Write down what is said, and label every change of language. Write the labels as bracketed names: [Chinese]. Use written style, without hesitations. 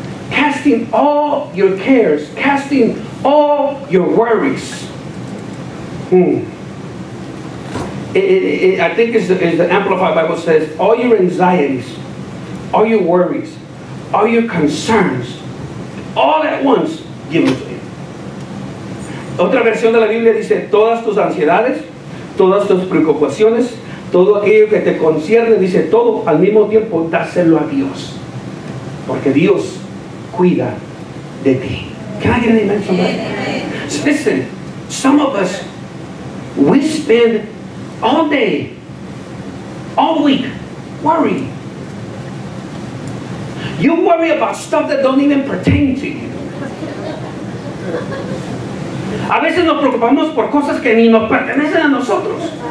[English] Casting all your cares, casting all your worries. I think it's the Amplified Bible says, all your anxieties, all your worries, all your concerns, all at once, give them to him. [Spanish] Otra versión de la Biblia dice, todas tus ansiedades, todas tus preocupaciones, todo aquello que te concierne, dice todo, al mismo tiempo, dáselo a Dios. Porque Dios cuida de ti. [English] Can I get an amen from that? So listen, some of us, we spend all day, all week, worrying. You worry about stuff that don't even pertain to you. [Spanish] A veces nos preocupamos por cosas que ni nos pertenecen a nosotros.